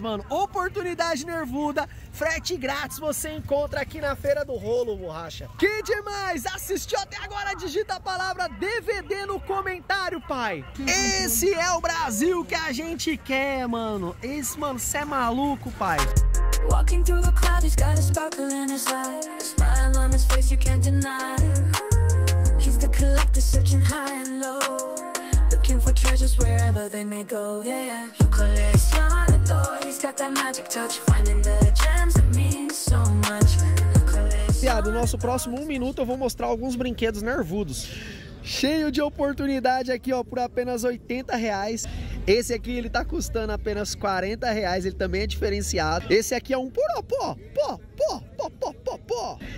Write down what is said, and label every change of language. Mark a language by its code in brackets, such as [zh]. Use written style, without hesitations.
[pt] mano. Oportunidade nervuda. Frete grátis você encontra aqui na Feira do Rolo, Borracha. Que demais! Assistiu até agora? Digita a palavra DVD no comentário, pai. Esse é o Brasil que a gente quer, mano. Esse, mano, você é maluco, pai. [en] Walking through the clouds, he's got a sparkle in his eyes. Smile on his face, you can't deny. He's the collector searching high and low. For treasures wherever they may go, yeah, yeah. Your coleccionador, he's got that magic touch. Finding the gems that mean so much. [pt] Viado, no nosso próximo 1 minuto eu vou mostrar alguns brinquedos nervudos. Cheio de oportunidade aqui, ó, por apenas R$80. Esse aqui, ele tá custando apenas R$40, ele também é diferenciado. Esse aqui é um puro pó, pó, pó, pó, pó, pó, pó.